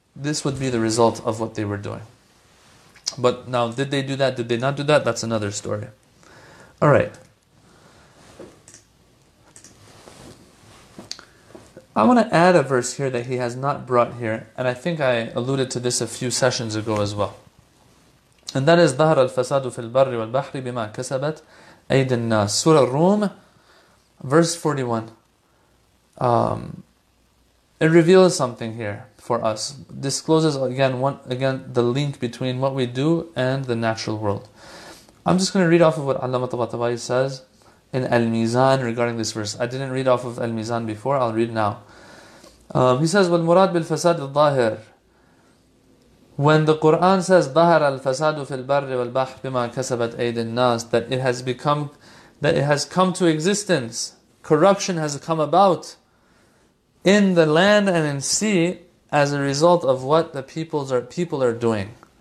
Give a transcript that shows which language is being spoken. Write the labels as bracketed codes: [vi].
[en] This would be the result of what they were doing. But now, did they do that? Did they not do that? That's another story. All right. I want to add a verse here that he has not brought here. And I think I alluded to this a few sessions ago as well. And that is, [ar] ظهر الفساد في البر والبحر بما كسبت أيدي الناس. [en] Surah Rum, verse 41. It reveals something here for us, discloses again the link between what we do and the natural world. I'm just going to read off of what Allama Tabatabai says in Al-Mizan regarding this verse. I didn't read off of Al-Mizan before, I'll read now. He says, [ar] وَالْمُرَادْ بِالْفَسَادِ الظَّاهِرِ. [en] When the Qur'an says, [ar] ظَهَرَ الْفَسَادُ فِي الْبَرِّ وَالْبَحْرِ بِمَا كَسَبَتْ أَيْدِ النَّاسِ, [en] that it has become, that it has come to existence, corruption has come about in the land and in sea, as a result of what the people are doing.